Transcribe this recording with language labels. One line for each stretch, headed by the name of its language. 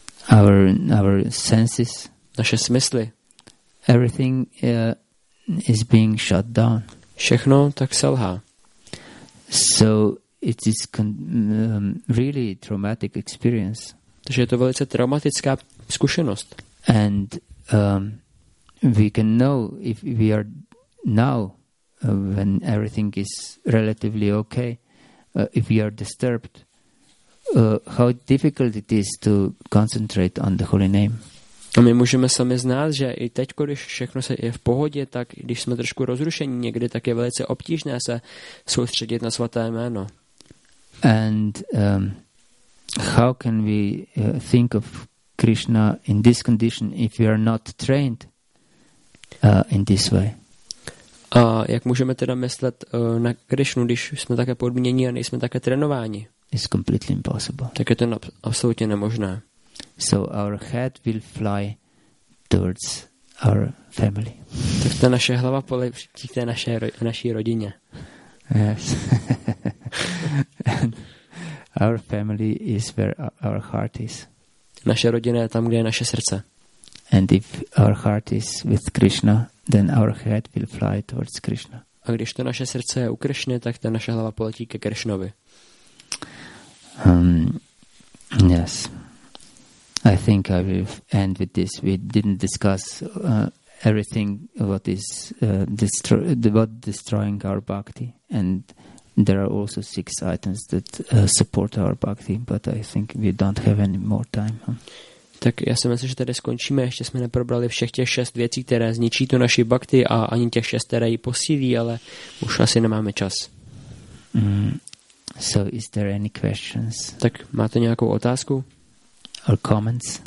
English: Our senses.
Czech: Naše smysly.
English: Everything is being shut down.
Czech: Všechno tak selhá.
English: So it is really traumatic experience.
Czech: Takže je to velice traumatická zkušenost.
English: And we can know if we are now when everything is relatively okay, if we are disturbed, how difficult it is to concentrate on the holy name.
Czech: A my můžeme sami znát, že i teď, když všechno se je v pohodě, tak když jsme trošku rozrušení někdy, tak je velice obtížné se soustředit na svaté jméno.
English: And how can we think of Krishna in this condition if we are not trained in this way?
Czech: A jak můžeme teda myslet na Krishnu, když jsme také podmíněni a nejsme také trénováni?
English: It's completely impossible.
Czech: Tak je to absolutně nemožné.
English: So our head will fly towards our family.
Czech: Tak ta naše hlava poletí k té naší rodině.
English: Yes. Our family is where our heart is.
Czech: Naše rodina je tam, kde je naše srdce.
English: And if our heart is with Krishna, then our head will fly towards Krishna.
Czech: A když to naše srdce je u Krishny, tak ta naše hlava poletí ke Krishnovi.
English: Yes. I think I will end with this. We didn't discuss everything what is about destroying our bhakti, and there are also six items that support our bhakti. But I think we don't have any more time.
Czech: Tak já si myslím, že tady skončíme. Ještě jsme neprobrali všech těch šest věcí, které zničí tu naši bhakti, a ani těch šest, které ji posílí, ale už asi nemáme čas.
English: So, is there any questions?
Czech: Tak máte nějakou otázku?
English: Or comments,